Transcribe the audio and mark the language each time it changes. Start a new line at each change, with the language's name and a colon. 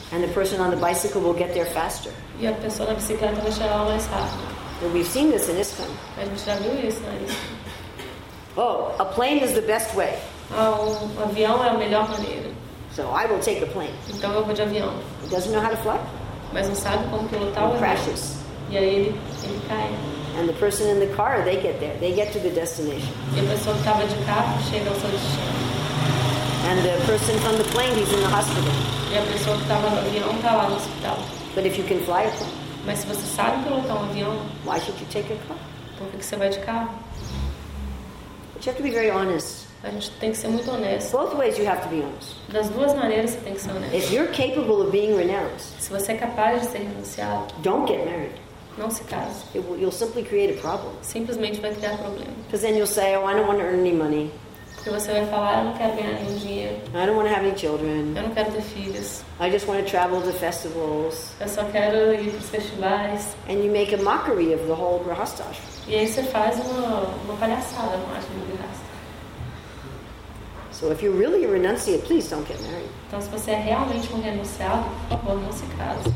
English: And the person on the bicycle will get there faster.
Portuguese: E a pessoa na bicicleta vai chegar mais rápido.
English: But we've seen this in ISKCON.
Portuguese: A gente já viu isso na ISKCON.
English: Oh, a plane is the best way.
Portuguese: Ah, um avião é a melhor maneira.
English: So I will take the plane.
Portuguese: Então eu vou de avião.
English: He doesn't know how to fly.
Portuguese: Mas não sabe como pilotar o avião.
English: Crashes.
Portuguese: E aí ele cai.
English: And the person in the car, they get there. They get to the destination.
Portuguese: E a pessoa que estava de carro chega ao seu destino.
English: And the person from the plane, he's in the hospital.
Portuguese: E a pessoa que tava no avião tava no hospital.
English: But if you can fly a plane.
Portuguese: Mas se você sabe pilotar um avião.
English: Why should you take a car?
Portuguese: Por que você vai de carro?
English: But you have to be very honest.
Portuguese: A gente tem que ser muito honesto.
English: Both ways you have to be honest.
Portuguese: Das duas maneiras você tem que ser honesto.
English: If you're capable of being renounced.
Portuguese: Se você é capaz de ser renunciado.
English: Don't get married.
Portuguese: Não se case.
English: You'll simply create a problem.
Portuguese: Simplesmente vai criar problema.
English: Because then you'll say, oh, I don't want to earn any money.
Portuguese: Porque você vai falar, eu não quero ganhar nenhum dinheiro.
English: I don't want to have any children.
Portuguese: Eu não quero ter filhos.
English: I just want to travel to festivals.
Portuguese: Eu só quero ir para os festivais.
English: And you make a mockery of the whole grihastha.
Portuguese: E aí você faz uma palhaçada, não acho, no grihastha.
English: So if you're really a renunciate, please don't get married.
Portuguese: Então, se você é realmente renunciado, por favor, não se case.